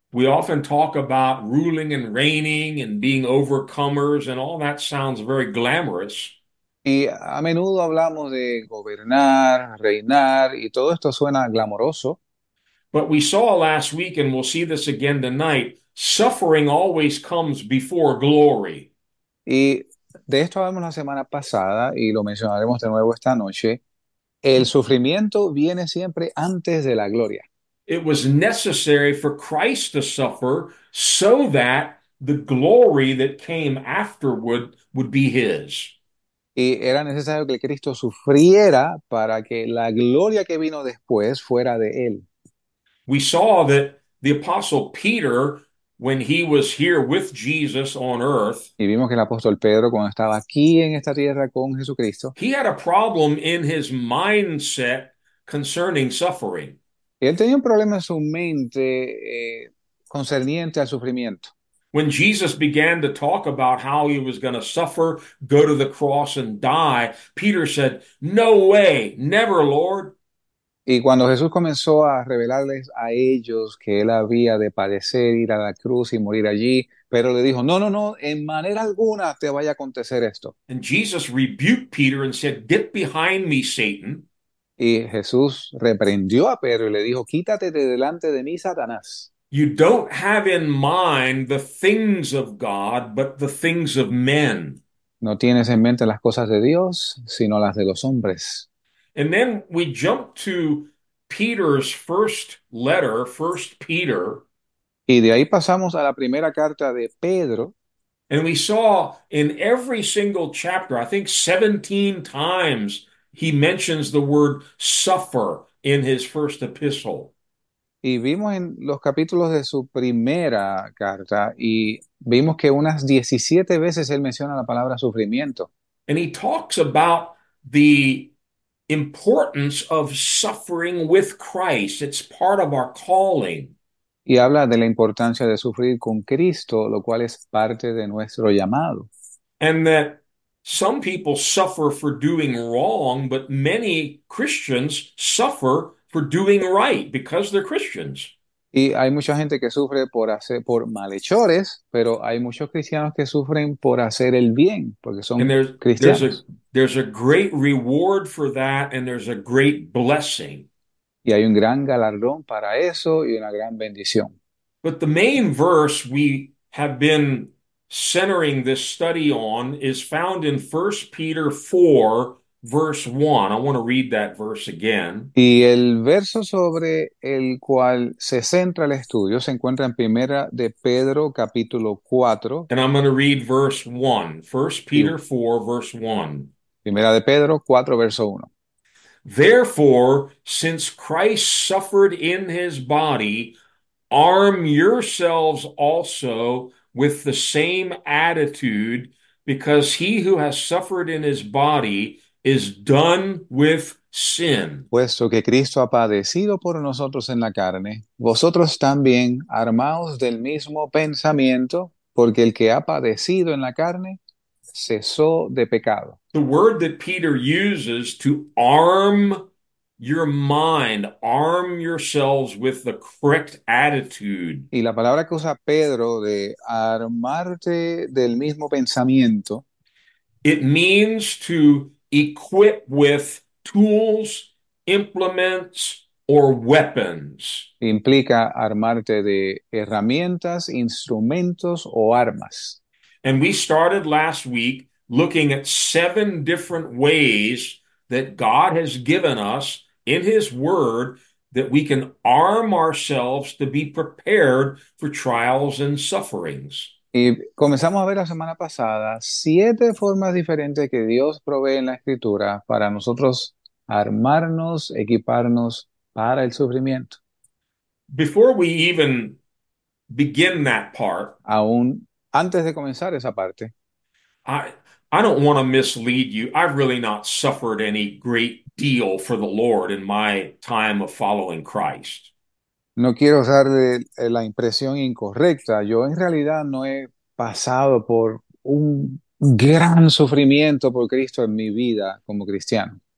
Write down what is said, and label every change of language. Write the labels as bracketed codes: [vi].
[en] We often talk about ruling and reigning and being overcomers, and all that sounds very glamorous. [es] Y a menudo hablamos de gobernar, reinar, y todo esto suena glamoroso. [en] But we saw last week, and we'll see this again tonight, suffering always comes before glory. [es] Y de esto hablamos la semana pasada y lo mencionaremos de nuevo esta noche. El sufrimiento viene siempre antes de la gloria. [en] It was necessary for Christ to suffer so that the glory that came afterward would be his. [es] Y era necesario que Cristo sufriera para que la gloria que vino después fuera de él. [en] We saw that the Apostle Peter, when he was here with Jesus on earth, [es] Y vimos que el apóstol Pedro, cuando estaba aquí en esta tierra con Jesucristo, [en] he had a problem in his mindset concerning suffering. [es] él tenía un problema en su mente concerniente al sufrimiento. [en] When Jesus began to talk about how he was going to suffer, go to the cross, and die, Peter said, "No way, never, Lord." [es] Y cuando Jesús comenzó a revelarles a ellos que él había de padecer, ir a la cruz y morir allí, Pedro le dijo, no, no, no, en manera alguna te vaya a acontecer esto. [en] And Jesus rebuked Peter and said, "Get behind me, Satan." [es] Y Jesús reprendió a Pedro y le dijo, quítate de delante de mí, Satanás. [en] You don't have in mind the things of God, but the things of men. [es] No tienes en mente las cosas de Dios, sino las de los hombres. [en] And then we jump to Peter's first letter, 1 Peter. [es] Y de ahí pasamos a la primera carta de Pedro. [en] And we saw in every single chapter, I think 17 times, he mentions the word suffer in his first epistle. [es] Y vimos en los capítulos de su primera carta y vimos que unas 17 veces él menciona la palabra sufrimiento. [en] And he talks about the importance of suffering with Christ. It's part of our calling. [es] Y habla de la importancia de sufrir con Cristo, lo cual es parte de nuestro llamado. [en] And that some people suffer for doing wrong, but many Christians suffer for doing right because they're Christians. [es] Y hay mucha gente que sufre por malhechores, pero hay muchos cristianos que sufren por hacer el bien, porque son cristianos. [en] there's a great reward for that, and there's a great blessing. [es] Y hay un gran galardón para eso y una gran bendición. [en] But the main verse we have been centering this study on is found in 1 Peter 4, verse 1. I want to read that verse again. [es] Y el verso sobre el cual se centra el estudio se encuentra en Primera de Pedro, capítulo 4. [en] And I'm going to read verse 1, 1 [es] Y [en] Peter 4, verse 1. [es] Primera de Pedro, 4, verso 1. [en] Therefore, since Christ suffered in his body, arm yourselves also with the same attitude, because he who has suffered in his body is done with sin. [es] Puesto que Cristo ha padecido por nosotros en la carne, vosotros también armaos del mismo pensamiento, porque el que ha padecido en la carne cesó de pecado. [en] The word that Peter uses to arm your mind, arm yourselves with the correct attitude. [es] Y la palabra que usa Pedro de armarte del mismo pensamiento. [en] It means to equip with tools, implements, or weapons. [es] Implica armarte de herramientas, instrumentos o armas. [en] And we started last week looking at seven different ways that God has given us in His Word that we can arm ourselves to be prepared for trials and sufferings. [es] Y comenzamos a ver la semana pasada siete formas diferentes que Dios provee en la Escritura para nosotros armarnos, equiparnos para el sufrimiento. [en] Before we even begin that part, [es] Aún antes de comenzar esa parte. [en] I don't want to mislead you. I've really not suffered any great deal for the Lord in my time of following Christ. [es] No quiero darle la impresión incorrecta. Yo en realidad no he pasado por un gran sufrimiento por Cristo en mi vida como cristiano.